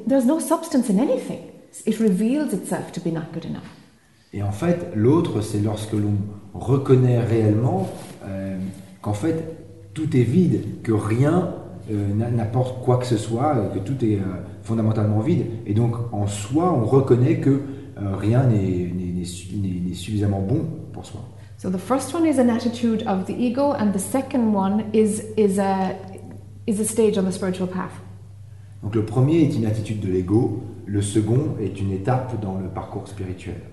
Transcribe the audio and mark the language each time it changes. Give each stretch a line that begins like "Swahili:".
English: There's no substance in anything. It reveals itself to be not good enough.
French: Et en fait, l'autre, c'est lorsque l'on reconnaît réellement qu'en fait, tout est vide, que rien n'apporte quoi que ce soit, que tout est fondamentalement vide. Et donc, en soi, on reconnaît que rien n'est suffisamment bon pour soi.
English: So the first one is an attitude of the ego, and the second one is a stage on the spiritual path.
French: Donc le premier est une attitude de l'ego, le second est une étape dans le parcours spirituel.